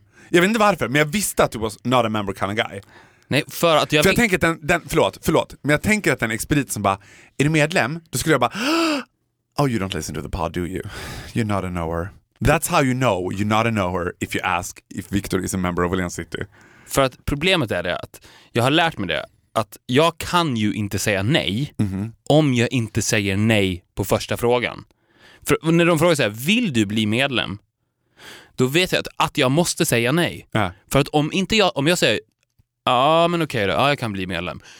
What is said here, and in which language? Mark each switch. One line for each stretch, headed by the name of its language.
Swedish: Jag vet inte varför, men jag visste att du
English: was not a member kind of guy.
Swedish: Nej, för att jag... För jag tänker att förlåt. Men jag tänker att den expedit som bara, är du medlem? Då skulle jag bara,
English: oh, you don't listen to the pod, do you? You're not a knower. That's how you know you're not a knower if you ask if Victor is a member of Åhléns City.
Swedish: För att problemet är det att jag har lärt mig det, att jag kan ju inte säga nej om jag inte säger nej på första frågan. För när de frågar så här, vill du bli medlem? Då vet jag att jag måste säga nej. Ja. För att om jag säger, ja men okej då, ja, jag kan bli medlem.